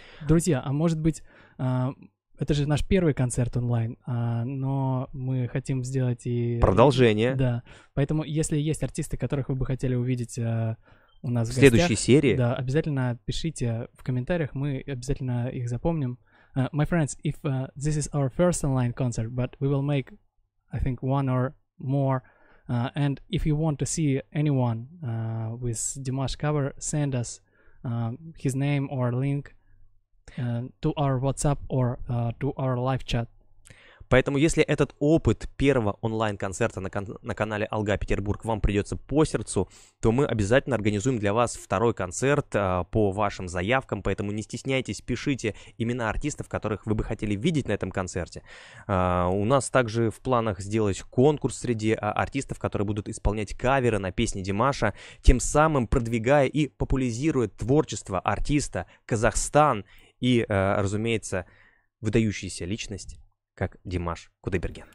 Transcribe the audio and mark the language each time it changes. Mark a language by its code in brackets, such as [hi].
[ru] Друзья, а может быть, это же наш первый концерт онлайн, но мы хотим сделать и... продолжение. Да, поэтому если есть артисты, которых вы бы хотели увидеть у нас в следующей гостях, серии, да, обязательно пишите в комментариях, мы обязательно их запомним. [en] My friends, if this is our first online concert, but we will make, I think, one or... more, and if you want to see anyone with Dimash cover, send us his name or link to our WhatsApp or to our live chat. [ru] Поэтому, если этот опыт первого онлайн-концерта на канале «Алга Петербург» вам придется по сердцу, то мы обязательно организуем для вас второй концерт по вашим заявкам. Поэтому не стесняйтесь, пишите имена артистов, которых вы бы хотели видеть на этом концерте. У нас также в планах сделать конкурс среди артистов, которые будут исполнять каверы на песни Димаша, тем самым продвигая и популяризируя творчество артиста, Казахстан и, разумеется, выдающаяся личность, как Димаш Кудайберген.